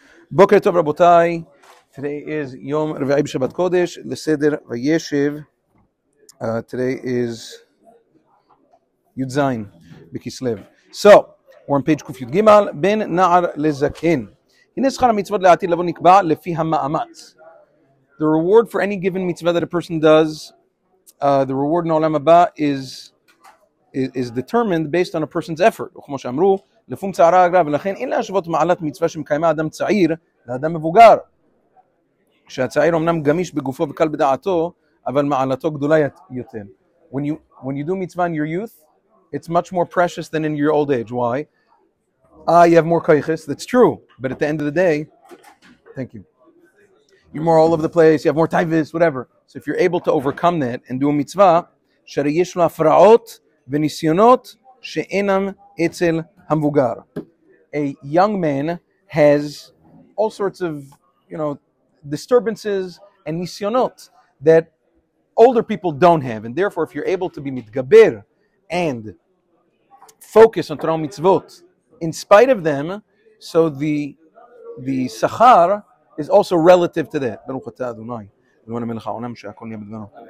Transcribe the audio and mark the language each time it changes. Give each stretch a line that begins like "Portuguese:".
Hebrew: בוקר טוב רבותיי,
English: today is
Hebrew: יום רביעי בשבת קודש, לסדר וישב, today is י' זין בכסלב.
English: So, we're on page קוף י' גימל, בין נער לזקן.
Hebrew: הנה שכר המצוות לעתיד לבוא נקבע לפי המאמץ.
English: The reward for any given מצווה that a person does, the reward in העולם הבא is determined based on a person's effort.
Hebrew: וכמו שאמרו, לפונקציה הרע אגרה, ולכן אין להשוות מעלת מצווה שמקיימה אדם צעיר לאדם מבוגר. כשהצעיר אמנם גמיש בגופו וקל בדעתו, אבל מעלתו גדולה יותר.
English: When you do מצווה in your youth, it's much more precious than in your old age. Why? You have more koiches, that's true. But at the end of the day, thank you. You're more all over the place, you have more taivis, whatever. So if you're able to overcome that and do a mitzvah,
Hebrew: שרי יש לו הפרעות וניסיונות שאינם אצל המבוגר.
English: A young man has all sorts of, you know, disturbances and ניסיונות that older people don't have. And therefore, if you're able to be מתגבר and focus on Torah mitzvot in spite of them, so the שכר is also relative to that.
Hebrew: ברוך אתה אדוני, אלוהינו מלך העולם שהכל נהיה בדברו.